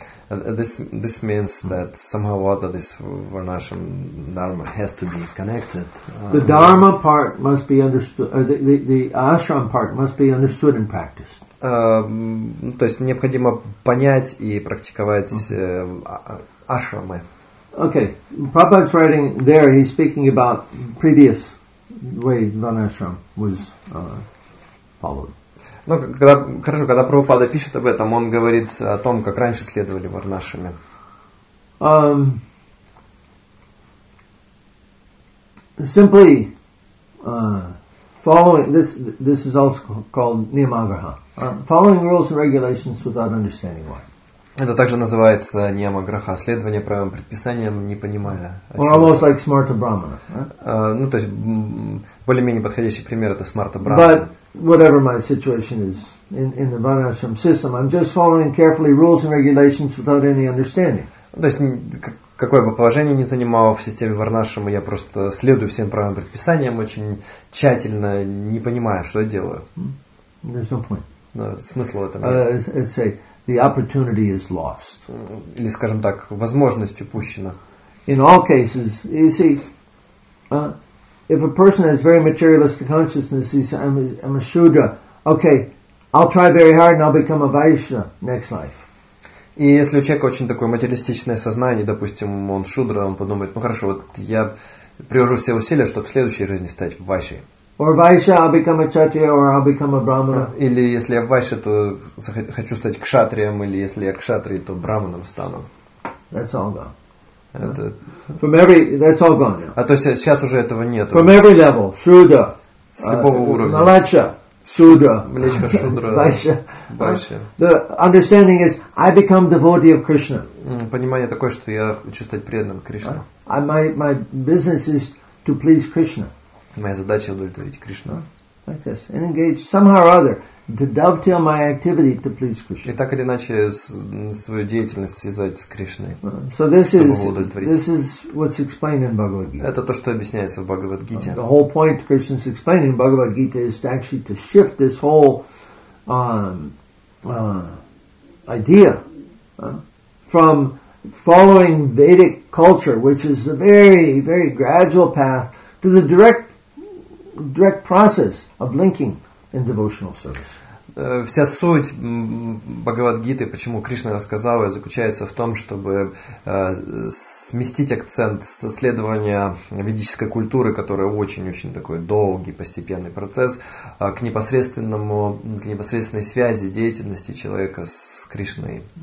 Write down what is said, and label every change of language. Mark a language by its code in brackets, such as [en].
[en] This means that somehow or other this Varnashram Dharma has to be connected. The Dharma part must be understood, the Ashram part must be understood and practiced. [ru] То есть необходимо понять и практиковать ашрамы. [en] Okay, Prabhupada's writing there, he's speaking about previous way Varnashram was followed. [ru] Ну, когда, хорошо, когда Прабхупада пишет об этом, он говорит о том, как раньше следовали варнашами. [en] Simply following this is also called Niyamagraha. Following rules and regulations without understanding why. [ru] Это также называется Niyamagraha, следование правилам и предписаниям, не понимая. [en] Or almost like Smarta Brahmana. [ru] Ну, то есть более-менее подходящий пример это Smarta Brahmana. [en] Whatever my situation is in the Varnashram system, I'm just following carefully rules and regulations without any understanding. [ru] То есть, какое бы положение ни занимал в системе Варнашрама, я просто следую всем правилам и предписаниям очень тщательно, не понимая, что я делаю. [en] There's no point. [ru] Но смысла в этом нет. [en] Let's say, the opportunity is lost. [ru] Или, скажем так, возможность упущена. [en] In all cases, you see... If a person has very materialistic consciousness, he says, I'm a Shudra. Okay, I'll try very hard and I'll become a Vaishya next life. [ru] И если у человека очень такое материалистичное сознание, допустим, он Шудра, он подумает, ну хорошо, вот я приложу все усилия, чтобы в следующей жизни стать Вайшей. [en] Or Vaishya, I'll become a Kshatriya, or I'll become a Brahmana. [ru] Или если я Вайша, то хочу стать Кшатрием, или если я Кшатрий, то Брахманом стану. [en] That's all gone. From every, that's all gone now. [ru] А то есть сейчас уже этого нет. [en] From every level, Shudra. [ru] С любого уровня. Малача, Shudra. Млечка Шудра. Байша. [en] The understanding is, I become devotee of Krishna. [ru] Понимание такое, что я хочу стать преданным Кришне. [en] My business is to please Krishna. [ru] Моя задача удовлетворить Кришну. [en] Like this. And engage somehow or other to dovetail my activity to please Krishna. [ru] И так или иначе свою деятельность связать с Кришной. [en] So this is what's explained in Bhagavad Gita. [ru] Это то, что объясняется в Бхагавад Гите. [en] The whole point Krishna's explaining in Bhagavad Gita is to actually to shift this whole idea from following Vedic culture, which is a very, very gradual path, to the direct process of linking in devotional service. [ru] Вся суть Бхагавад-гиты, почему Кришна рассказала, заключается в том, чтобы сместить акцент с следования ведической культуры, которая очень-очень такой долгий, постепенный процесс, к непосредственной связи деятельности человека с Кришной.